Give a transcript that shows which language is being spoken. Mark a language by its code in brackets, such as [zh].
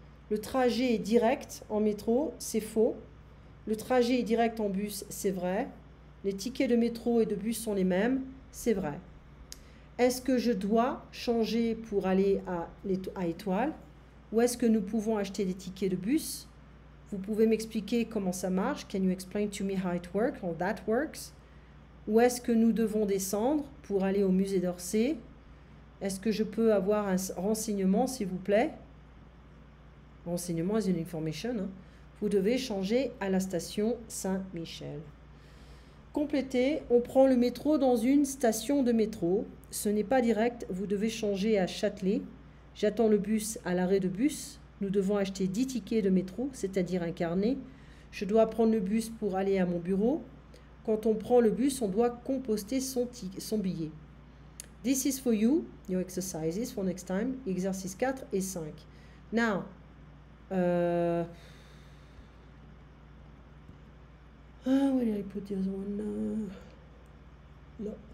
[fr] Le trajet est direct en métro, c'est faux. Le trajet est direct en bus, c'est vrai. Les tickets de métro et de bus sont les mêmes, c'est vrai. Est-ce que je dois changer pour aller à Étoile? Ou est-ce que nous pouvons acheter des tickets de bus? Vous pouvez m'expliquer comment ça marche? [en] Can you explain to me how it works, how that works? [fr] Où est-ce que nous devons descendre pour aller au musée d'Orsay? Est-ce que je peux avoir un renseignement, s'il vous plaît? Renseignement [en] is an information. [fr] Hein. Vous devez changer à la station Saint-Michel. Complétez. On prend le métro dans une station de métro. Ce n'est pas direct. Vous devez changer à Châtelet. J'attends le bus à l'arrêt de bus. Nous devons acheter 10 tickets de métro, c'est-à-dire un carnet. Je dois prendre le bus pour aller à mon bureau. Quand on prend le bus, on doit composter son billet. [en] This is for you, your exercises for next time, [fr] exercice 4 et 5. [en] Now, [fr] Ah oui, Harry Potter, on a... Là.